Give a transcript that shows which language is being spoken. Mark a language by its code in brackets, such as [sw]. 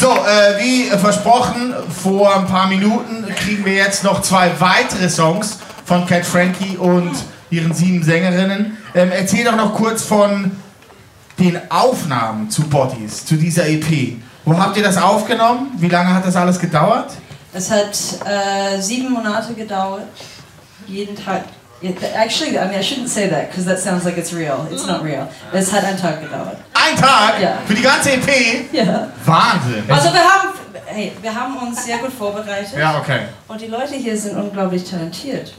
[de] So, wie versprochen, vor ein paar Minuten kriegen wir jetzt noch zwei weitere Songs von Cat Frankie und ihren sieben Sängerinnen. Erzähl doch noch kurz von den Aufnahmen zu Bodies, zu dieser EP. Wo habt ihr das aufgenommen? Wie lange hat das alles gedauert? Es hat 7 Monate gedauert. Jeden Tag. [en] Actually, I mean, I shouldn't say that, because that sounds like it's real. It's not real. [de] Es hat einen Tag gedauert. Ein Tag? Ja. Für die ganze EP? Ja. Wahnsinn. Also wir haben uns sehr gut vorbereitet. Ja, okay. Und die Leute hier sind unglaublich talentiert.